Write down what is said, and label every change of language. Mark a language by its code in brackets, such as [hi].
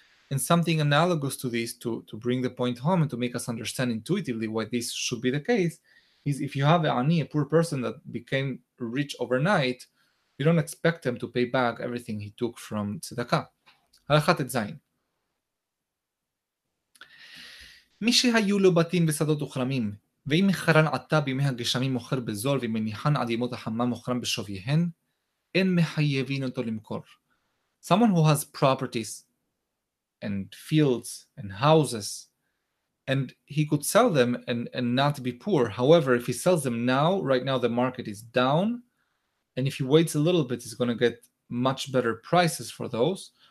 [en] And something analogous to this, to bring the point home and to make us understand intuitively why this should be the case, is if you have an ani, a poor person that became rich overnight, you don't expect him to pay back everything he took from tzedakah. [he] Halachat etzayin. מי שהיו לו בתים בשדות וחרמים, ואם מחרן עתה בימי הגשמים מוכר בזול ומניחן עד ימות החמה מוכרם בשוויהן, אין מחייבין אותו למכור. [en] Someone who has properties and fields and houses, and he could sell them and not be poor. However, if he sells them now, right now the market is down, and if he waits a little bit, he's going to get much better prices for those.